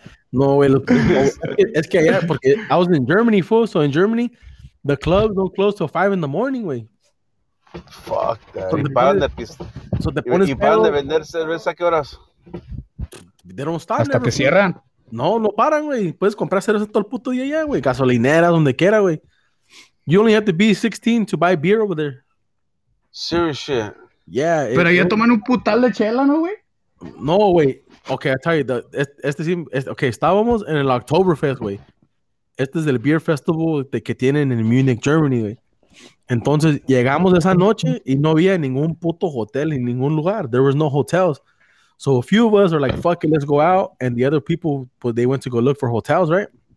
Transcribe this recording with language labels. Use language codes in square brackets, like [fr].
[es] No, güey, es que allá, porque [en] I was in Germany, fool, so in Germany, the clubs don't close till 5 in the morning, güey. Fuck that. [es] Y paran de pista. So te pones pedo. Y paran de vender cerveza, ¿qué horas? [en] They don't stop. [es] Hasta que cierran. No paran, güey. Puedes comprar cerveza todo el puto día allá, güey. Gasolinera, donde quiera, güey. [en] You only have to be 16 to buy beer over there. Serious shit. Yeah. [es] Pero ya toman un putal de chela, ¿no, güey? No, güey. [en] Okay, I tell you. [es] Estábamos en el Oktoberfest, güey. Este es el [en] beer festival [es] que tienen en Munich, Germany, güey. Entonces, llegamos esa noche y no había ningún puto hotel en ningún lugar. [en] There was no hotels. So a few of us are like, fuck it, let's go out. And the other people, they went to go look for hotels, right?